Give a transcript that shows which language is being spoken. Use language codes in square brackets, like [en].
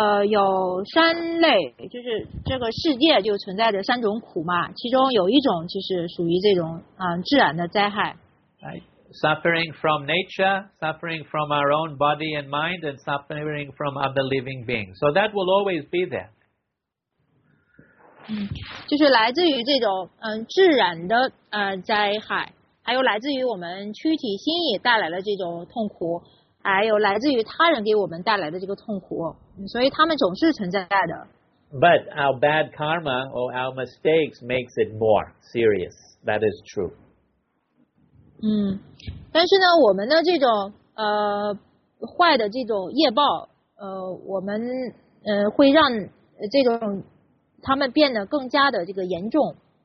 [zh] 有三类，就是这个世界就存在着三种苦嘛，其中有一种就是属于这种自然的灾害。 [en] Right. Suffering from nature, suffering from our own body and mind, and suffering from other living beings. So that will always be there. [zh] 就是来自于这种自然的灾害，还有来自于我们躯体心意带来的这种痛苦。还有来自于他人给我们带来的这个痛苦，所以他们总是存在的。 [en] But our bad karma or our mistakes makes it more serious. That is true. [zh] 但是呢，我们的这种坏的这种业报，我们会让这种他们变得更加的这个严重。